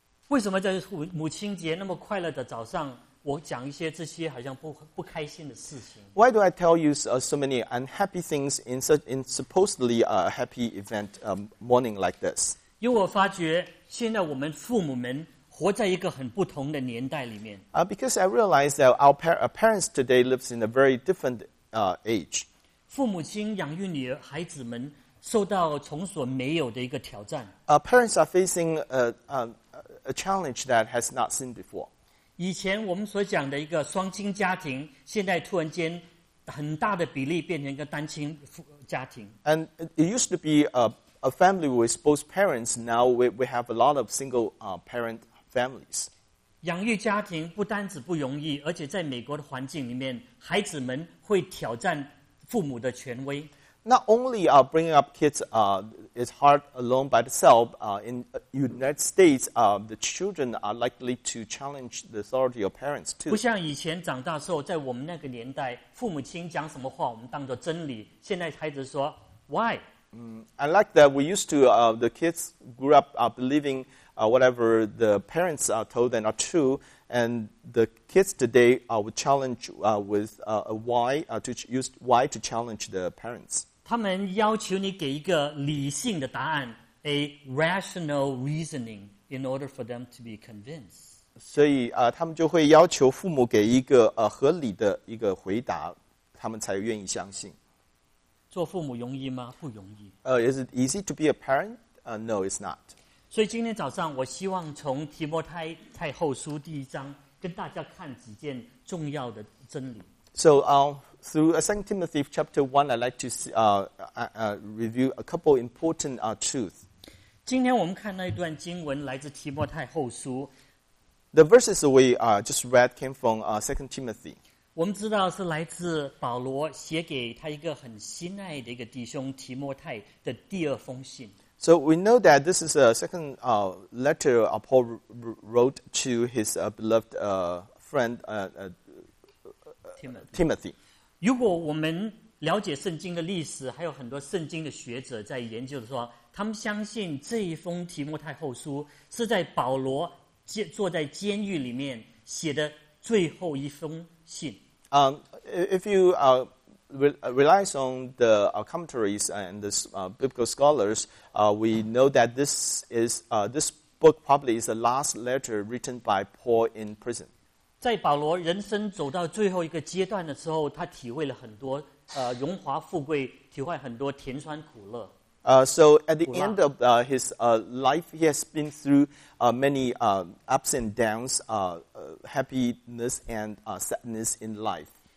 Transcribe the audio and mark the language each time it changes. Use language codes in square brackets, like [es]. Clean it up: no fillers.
[zh] 为什么在母亲节那么快乐的早上，我讲一些这些好像不开心的事情？ [en] Why do I tell you so many unhappy things in supposedly a happy event morning like this? [zh] 因为我发觉现在我们父母们活在一个很不同的年代里面。 [en] Because I realize that our parents today lives in a very different age. [zh] 父母亲养育女儿孩子们受到从所没有的一个挑战。 [en] Parents are facing a challenge that has not seen before. [zh] 以前我们所讲的一个双亲家庭，现在突然间很大的比例变成一个单亲家庭。 [en] And it used to be a family with both parents. Now we have a lot of single parent families. [zh] 养育家庭不单只不容易，而且在美国的环境里面，孩子们会挑战父母的权威。 [en] Not only are bringing up kids is hard alone by itself, in the United States, the children are likely to challenge the authority of parents too. [zh] 不像以前长大的时候，在我们那个年代，父母亲讲什么话我们当作真理。现在孩子说 ,why? [en] I like that we used to, the kids grew up believing whatever the parents are told and are true, and the kids today would challenge with a why, to use why to challenge the parents. [zh] 他们要求你给一个理性的答案, [en] a rational reasoning in order for them to be convinced. [zh] 所以他们就会要求父母给一个合理的一个回答,他们才愿意相信。做父母容易吗？不容易。 [en] Is it easy to be a parent? No, it's not. [zh] 所以今天早上我希望从提摩太太后书第一章跟大家看几件重要的真理。 [en] So through 2 Timothy chapter 1, I'd like to review a couple important truths. [zh] 今天我们看那一段经文来自提摩太后书。 [en] The verses we just read came from 2 Timothy. [zh] 我们知道是来自保罗写给他一个很心爱的一个弟兄提摩太的第二封信。 [en] So we know that this is a second letter Paul wrote to his beloved friend Timothy. [zh] 如果我们了解圣经的历史，还有很多圣经的学者在研究的时候，他们相信这一封提摩太后书是在保罗坐在监狱里面写的最后一封。 [en] If you rely on the commentaries and the biblical scholars, we know that this book probably is the last letter written by Paul in prison. [zh] 在保罗人生走到最后一个阶段的时候，他体会了很多荣华富贵，体会很多甜酸苦乐。 [en] So at the end of his life, he has been through many ups and downs, happiness and sadness in life.